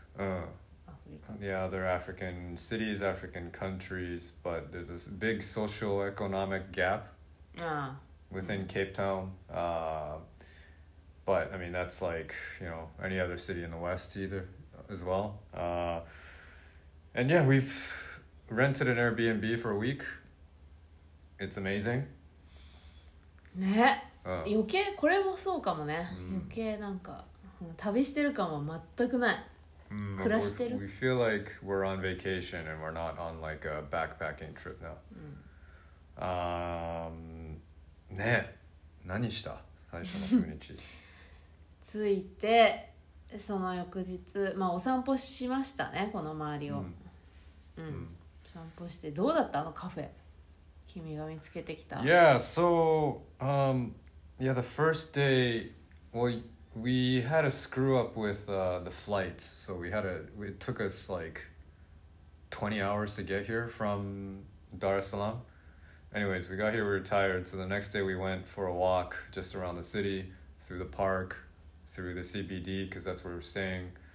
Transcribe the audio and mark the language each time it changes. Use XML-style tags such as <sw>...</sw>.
<en>うん、Yeah, other African cities, African countries, but there's this big socio-economic gap within Cape Town. But I mean, that's like, you know, any other city in the West either as well. And yeah, we've rented an Airbnb for a week. It's amazing.</en> <ja>ね、余計これもそうかもね。余計なんか。旅してる感は全くない。暮らしてる。</ja> <en>We feel like we're on vacation and we're not on like a backpacking trip now.、</en> <ja>うん、ね、何した？最初の数日。ついてその翌日、まあお散歩しましたね、この周りを。うん。うんうん、散歩してどうだったあのカフェ？君が見つけてきた。</ja> <en>Yeah, so yeah, the first day, We had a screw up with the flights, so it took us like 20 hours to get here from Dar es Salaam. Anyways, we got here, we were tired, so the next day we went for a walk just around the city, through the park, through the CBD, because that's where we're staying.</en>